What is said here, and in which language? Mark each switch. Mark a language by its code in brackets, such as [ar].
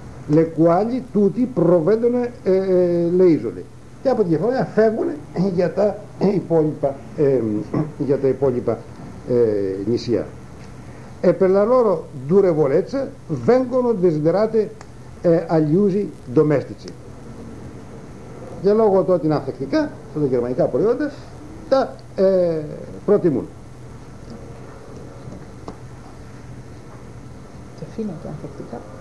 [it] Le quali tutti provvedono le isole. [el] Και από τη διαφορά φεύγουν για τα υπόλοιπα, για τα υπόλοιπα νησιά. [it] E per la loro durevolezza vengono desiderate agli usi domestici. [el] Για λόγω του ότι είναι ανθεκτικά, αυτά τα γερμανικά προϊόντα, τα προτιμούν. Και φαίνεται ανθεκτικά.